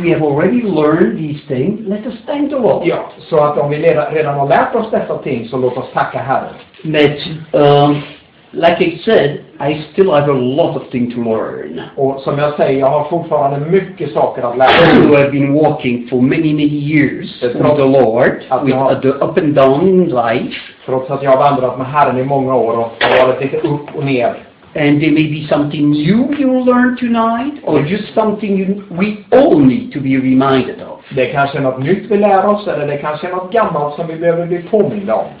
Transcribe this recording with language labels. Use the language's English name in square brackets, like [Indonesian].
[English] we have already learned these things, let us thank the Lord. [Swedish] Ja, så att om vi redan har lärt oss dessa ting, så låt oss tacka Herren. [English] But, like I said, I still have a lot of things to learn. [Swedish] Och som jag säger, jag har fortfarande mycket saker att lära. [English] I have been walking for many, many years with the Lord, with the up and down life. [Swedish] Trots att jag har vandrat med Herren i många år och har varit lite upp och ner. [English] And there may be something new you will learn tonight, or just something we all need to be reminded of. [Swedish] Det kanske är något nytt vi lär oss, eller det kanske är något gammalt som vi behöver bli påminna om.